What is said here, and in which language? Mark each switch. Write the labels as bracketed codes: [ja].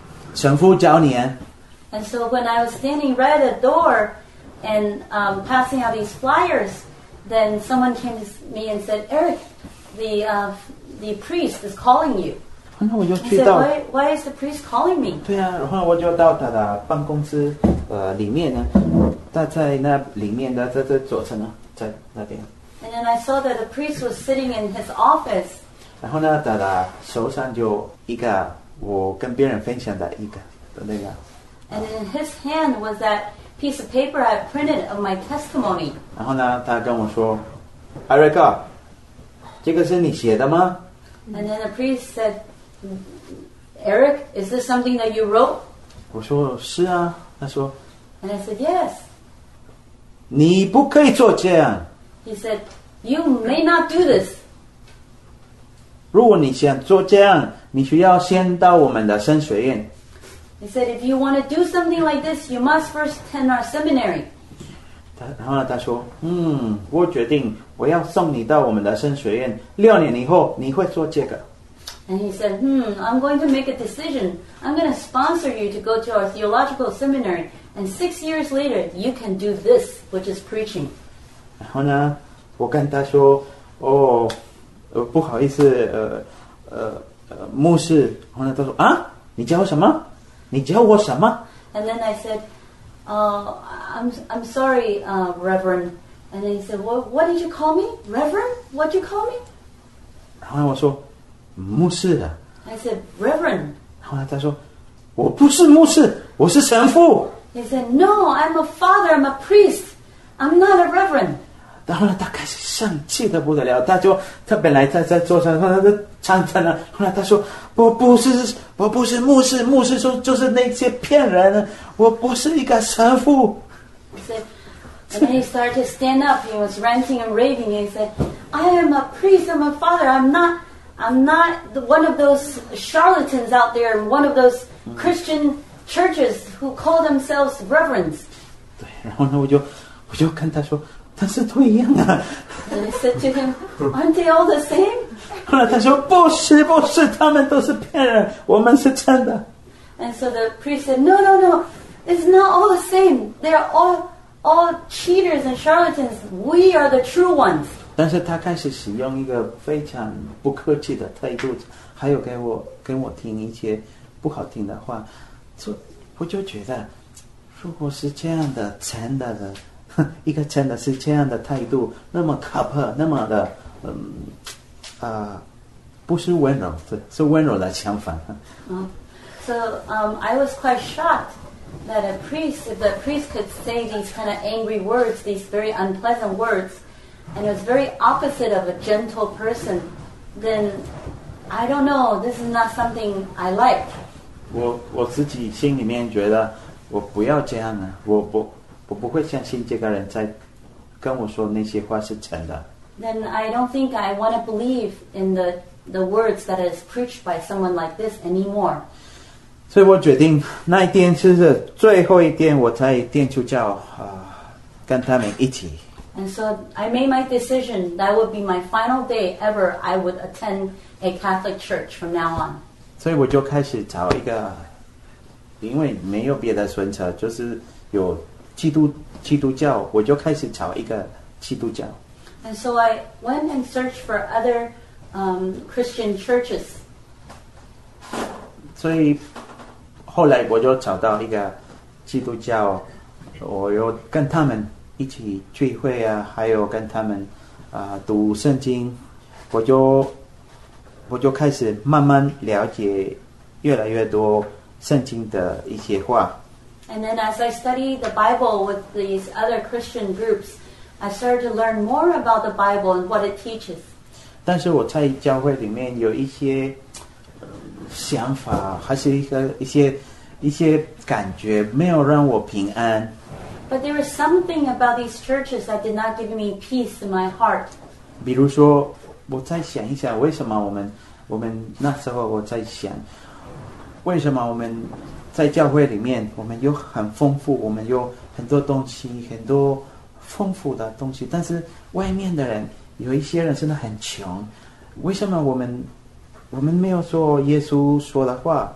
[zh] 然后呢，我在站在那个大门的时候，有人来教我，然后呢，他对我说，艾瑞克，神父教你。 [en] And so when I was standing right at the door and passing out these flyers, then someone came to me and said, Eric, the priest is calling you. [zh] 然后我就去到， [en] Why is the priest calling me? [zh] 对啊，然后我就到他的办公室里面呢，他在那里面的，在左层呢，在那边。 [en] And then I saw that the priest was sitting in his office. [zh] 然后呢，他的手上就一个我跟别人分享的一个的那个。 [en] And in his hand was that piece of paper I've printed of my testimony. [zh] 然后呢，他跟我说 ，Erica， 这个是你写的吗 [en] ？And then the priest said, Eric, is this something that you wrote? [zh] 我说是啊。他说 [en] ，And I said yes. [zh] 你不可以做这样。 [en] He said, you may not do this. [zh] 如果你想做这样，你需要先到我们的神学院。 [en] He said, "If you want to do something like this, you must first attend our seminary." [zh] 然后他说，嗯，我决定我要送你到我们的神学院。六年以后，你会做这个。 [en] And he said, "I'm going to make a decision. I'm going to sponsor you to go to our theological seminary. And 6 years later, you can do this, which is preaching." [zh] 然后呢，我跟他说，哦。不好意思，牧师，然后呢，他说啊，你教什么？你教我什么 [en] ？And then I said, I'm sorry, Reverend. And then he said, what did you call me, Reverend? What did you call me? [zh] 然后我说，牧师啊。 [en] I said, Reverend. [zh] 然后呢，他说，我不是牧师，我是神父。 [en] He said, No, I'm a father. I'm a priest. I'm not a Reverend. [zh] 然后呢，他开始生气的不得了。他就他本来在桌上，他在唱着呢。后来他说：“我不是牧师，牧师说就是那些骗人的，我不是一个神父。” [en] And then he started to stand up. He was ranting and raving. He said, "I am a priest. I'm a father. I'm not one of those charlatans out there. One of those Christian churches who call themselves reverends." [zh] 对，然后呢，我就跟他说。但是不一样啊 [en] And I said to him, aren't they all the same? [zh] 后来他说不是不是他们都是骗人我们是真的 [en] And so the priest said, no, it's not all the same. They're all cheaters and charlatans. We are the true ones. [zh] 但是他开始使用一个非常不客气的态度还有跟我听一些不好听的话就我就觉得如果是这样的真的的一个真的是这样的态度，那么可怕，那么的，不是温柔，是温柔的相反。 [en] So, I was quite shocked that if the priest could say these kind of angry words, these very unpleasant words, and it was very opposite of a gentle person, then I don't know, this is not something I like. [zh] 我自己心里面觉得，我不要这样啊，我不会相信这个人在跟我说那些话是真的。 [en] Then I don't think I want to believe in the words that is preached by someone like this anymore. [zh] 所以我决定那一天是最后一天，我在天主教跟他们一起。 [en] And so I made my decision that would be my final day ever I would attend a Catholic church from now on. [zh] 所以我就开始找一个，因为没有别的选择，就是有。基督教，我就开始找一个基督教。 [en] And so I went and searched for other Christian churches. [zh] 所以后来我就找到一个基督教，我又跟他们一起聚会啊，还有跟他们读圣经，我就开始慢慢了解越来越多圣经的一些话。 [en] And then as I studied the Bible with these other Christian groups, I started to learn more about the Bible and what it teaches. [zh] 但是我在教会里面有一些想法，还是一些感觉没有让我平安。 [en] But there was something about these churches that did not give me peace in my heart. [zh] 比如说，我在想一想，为什么我们那时候我在想，为什么我们在教会里面，我们有很丰富，我们有很多东西，很多丰富的东西。但是外面的人，有一些人真的很穷。为什么我们没有说耶稣说的话？